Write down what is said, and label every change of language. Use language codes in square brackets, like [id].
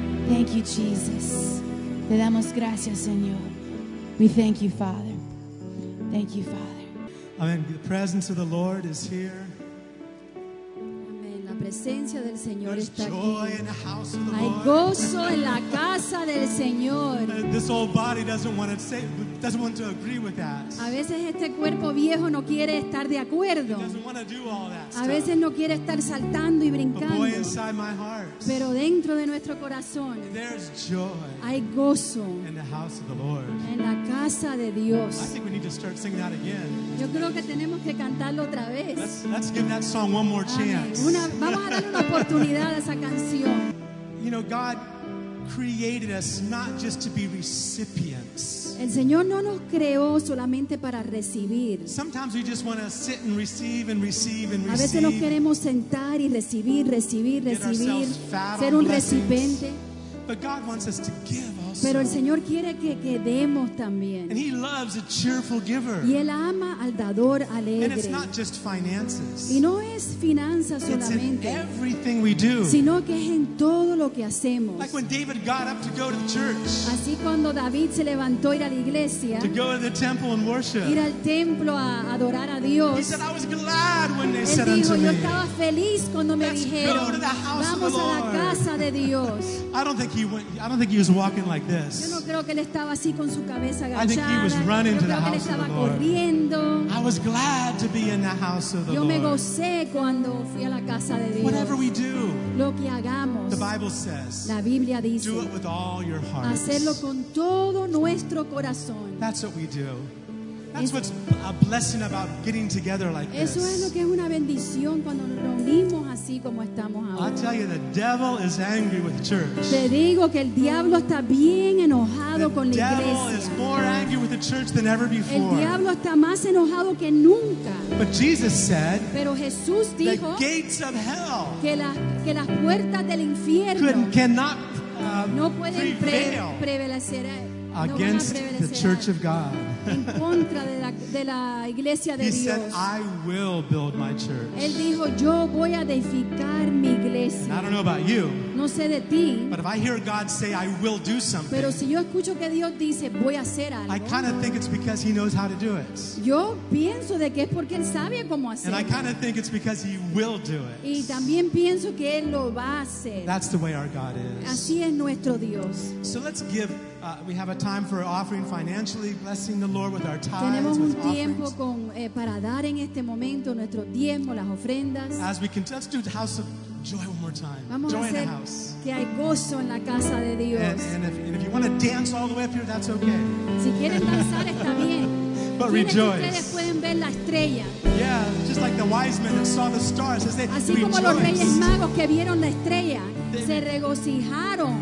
[en] Thank you, Jesus. [es] Te damos gracias, Señor. [en] We thank you, Father. Thank you, Father. Amen. The presence of the Lord is here. [es] Amen. La presencia del Señor [en] There's joy [es] aquí. [en] In the house of the [es] Hay [en] Lord. [es] Gozo en la casa del Señor. [en] This old body doesn't want to agree with that. [es] A veces este cuerpo viejo no quiere estar de acuerdo. [en] He doesn't want to do all that stuff. [es] A veces no quiere estar saltando y brincando. [en] But boy, inside my heart, [es] pero dentro de nuestro corazón [en] there's joy. [es] Hay gozo [en] in the house of the Lord. [es] En la casa de Dios. [en] I think we need to start singing that again. [es] Yo creo que tenemos que cantarlo otra vez. [en] Let's give that song one more chance. [es] Vamos a darle una oportunidad a esa canción. [en] You know, God created us not just to be recipients. [es] El Señor no nos creó solamente para recibir. [en] Sometimes we just want to sit and receive and receive and receive. [es] A veces nos queremos sentar y recibir, recibir, recibir, ser un recipiente. [en] But God wants us to give also. [es] Pero el Señor quiere que demos también. [en] And He loves a cheerful giver. [es] Y Él ama al dador alegre. [en] And it's not just finances. [es] Y no es finanzas solamente. [en] It's in everything we do. [es] Sino que es en todo lo que hacemos. [en] Like when David got up to go to the church. [es] Así cuando David se levantó ir a la iglesia. [en] To go to the temple and worship. [es] Ir al templo a adorar a Dios. [en] He said, I was glad when they [es] él [en] said [es] dijo, [en] unto [es] yo [en] me, [es] estaba feliz cuando me [en] Let's [es] dijeron, [en] go to the house [es] vamos [en] of the [es] a la [en] Lord. [es] Casa de Dios. [en] I don't think he was walking like this. [es] Yo no creo que él estaba así con su cabeza agachada. [en] I think he was running to the house of the Lord. I was glad to be in the house of the Lord. [es] Yo me gocé cuando fui a la casa de Dios. [en] Whatever we do, [es] lo que hagamos, [en] the Bible says, [es] la Biblia dice, [en] do it with all your heart. [es] Hacerlo con todo nuestro corazón. [en] That's what we do. That's what's a blessing about getting together like this. [es] Eso es lo que es una bendición cuando nos reunimos así como estamos ahora. [en] I tell you, the devil is angry with the church. [es] Te digo que el diablo está bien enojado con la iglesia. [en] The devil is more angry with the church than ever before. [es] El diablo está más enojado que nunca. [en] But Jesus said, [es] pero Jesús dijo, [en] the gates of hell [es] que las puertas del infierno [en] cannot [es] no pueden prevalecer [en] against the church of God. He said, I will build my church. [es] Él dijo, yo voy a edificar mi iglesia. [en] And I don't know about you, [es] no sé de ti, [en] but if I hear God say, I will do something, [es] pero si yo escucho que Dios dice, voy a hacer algo, [en] I kind of think it's because he knows how to do it. [es] Yo pienso de que es porque él sabe cómo hacerlo. [en] And I kind of think it's because he will do it. [es] Y también pienso que él lo va a hacer. [en] That's the way our God is. [es] Así es nuestro Dios. [en] So let's give. We have a time for offering financially, blessing the Lord with our tithes. [es] Tenemos un tiempo con para dar en este momento nuestro diezmo, las ofrendas. [en] As we can, let's do the house of joy one more time. [es] Vamos [en] joy [es] a hacer [en] in the house. [es] Que hay gozo en la casa de Dios. [en] And if you want to dance all the way up here, that's okay. [es] Si quieren danzar está bien. [en] But rejoice. [es] ¿Quiénes de ustedes pueden ver la estrella? [en] Yeah, just like the wise men that saw the stars, as they [es] así [en] rejoiced. [es] Como los reyes magos que vieron la estrella, se regocijaron.